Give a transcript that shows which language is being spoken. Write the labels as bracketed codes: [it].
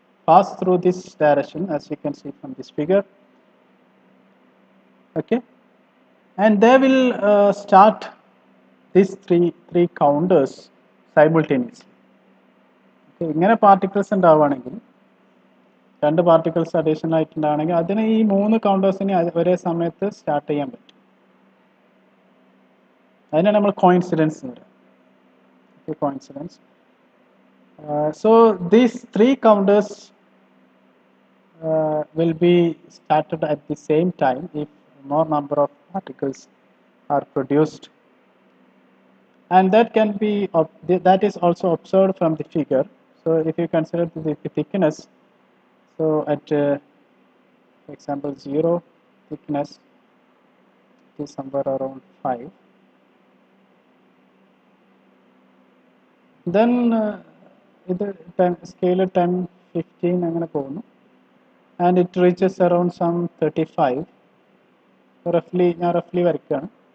[en] pass through this direction, as you can see from this figure. Okay, and they will start these three counters simultaneously. [ml] Okay, ingane particles undavanengil രണ്ട് particles additional ആയിട്ടുണ്ടാവണമെങ്കിൽ അതിന് ഈ മൂന്ന് കൗണ്ടേഴ്സിനെ ഒരേ സമയത്ത് start ചെയ്യാൻ പറ്റും. അതിനാണ് നമ്മൾ കോയിൻസിഡൻസ് എന്ന് പറയുന്നത്. Coincidence. [en] So these three counters will be started at the same time if more number of particles are produced and that can be that is also observed from the figure. So if you consider the thickness, so at example 0 thickness it is somewhere around 5, then it scale 10 15 [ml] angana povunu [en] and it reaches around some 35 roughly varikkana.